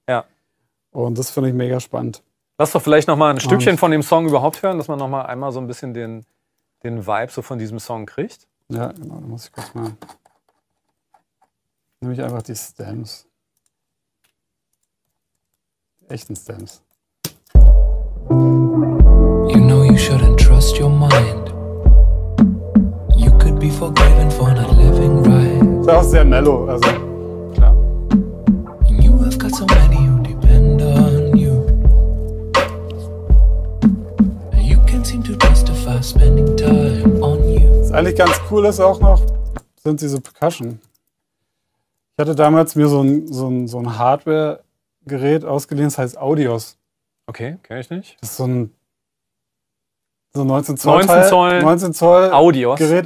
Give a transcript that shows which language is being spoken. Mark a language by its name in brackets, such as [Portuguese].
[German] Ja. Und das finde ich mega spannend. Lass doch vielleicht nochmal ein Stückchen von dem Song überhaupt hören, dass man nochmal einmal so ein bisschen den Vibe so von diesem Song kriegt. Ja, genau, da muss ich kurz mal. nehme ich einfach die Stems. Echten Stems. [English] You know you shouldn't trust your mind. You could be forgiven for not living right. [German] Ist auch sehr mellow, also. [English] Klar. You have got so many who depend on you. You can't seem to justify spending time on you. [German] Was eigentlich ganz cool ist auch noch, sind diese Percussion. Ich hatte damals mir so ein Hardware-Gerät ausgeliehen, das heißt Audios. Okay, kenne ich nicht. Das ist so ein 19 Zoll Audios-Gerät,